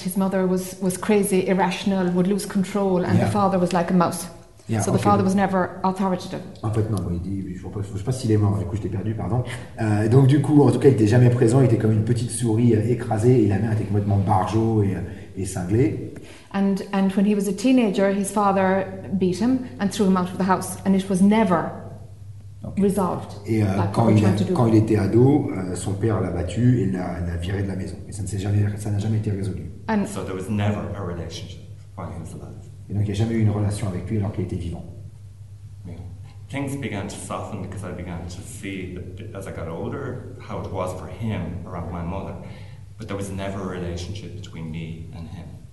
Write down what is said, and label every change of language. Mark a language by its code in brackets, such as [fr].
[en] His mother was crazy, irrational, would lose control, and the father was like a mouse. So the father was never authoritative. [fr] En fait, non, il dit, je ne sais pas s'il est mort, du coup, je l'ai perdu, pardon. Donc du coup, en tout cas, il n'était jamais présent, il était comme une petite souris écrasée, et la mère était complètement barjo et cinglée. [en] And when he was a teenager, his father beat him and threw him out of the house, and it was never resolved. [fr] Et quand il était ado, son père l'a battu et l'a viré de la maison. Et ça n'a jamais été résolu. [en] And so there was never a relationship while he was alive. [fr] Et donc il n'y a jamais eu une relation avec lui alors qu'il était vivant. [en] Yeah. Things began to soften because I began to see, as I got older, how it was for him around my mother, but there was never a relationship between me and him.